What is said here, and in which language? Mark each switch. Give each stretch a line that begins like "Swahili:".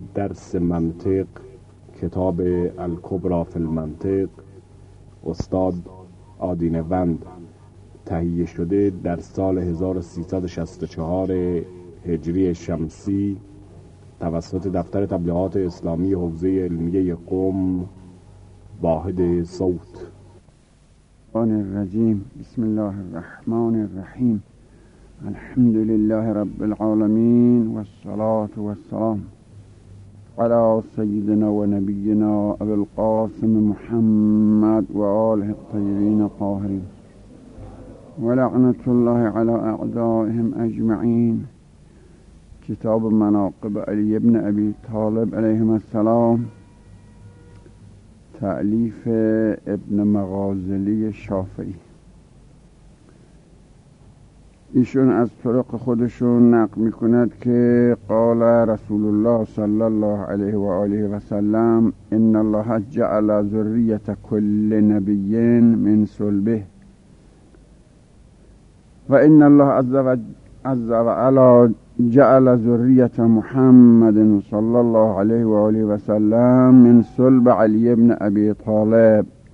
Persian: درس منطق، کتاب الکبری فی المنطق، استاد آدینه‌وند، تهیه شده در سال 1364 هجری شمسی توسط دفتر تبلیغات اسلامی حوزه علمیه قم، واحد صوت.
Arabic: الرحمن الرجیم. بسم الله الرحمن الرحیم. الحمد لله رب العالمين والصلاة والسلام على سيدنا ونبينا أبي القاسم محمد وآله الطيبين الطاهرين، ولعنة الله على أعدائهم أجمعين. كتاب مناقب علي بن أبي طالب عليهما السلام، تأليف ابن مغازلي الشافعي.
Persian: ایشون از طرق خودشون نقل میکند که
Arabic: قال رسول الله صلی الله علیه و آله و سلم: ان الله جعل ذریت کل نبی من صلبه، و ان الله عز و علا جعل ذریت محمد صلی الله علیه و آله و سلم من صلب علی ابن ابی طالب.